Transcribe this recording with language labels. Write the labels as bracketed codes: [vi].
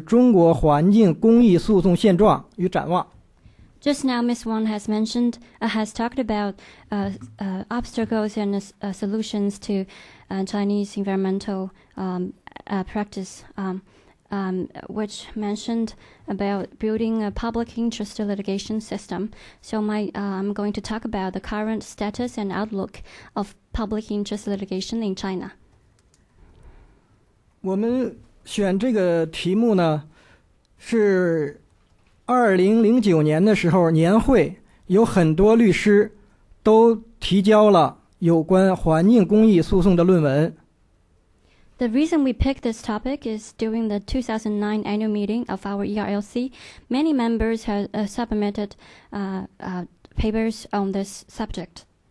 [zh] 刚才王律师也讲了，这个中国的环境方面法律方面的障碍与建议方面，就是要提高环境公益诉讼制度，建立环境公益诉讼制度。那么我现在讲的题目呢，就是中国环境公益诉讼现状与展望。 [en] Just now, Ms. Wang has mentioned, has talked about obstacles and solutions to Chinese environmental practice, which mentioned about building a public interest litigation system. So I'm going to talk about the current status and outlook of public interest litigation in China. [zh] 我们选这个题目呢，是 2009年的时候，年会有很多律师都提交了有关环境公益诉讼的论文。The [en] reason we picked this topic is during the 2009 annual meeting of our ERLC, many members have submitted papers on this subject.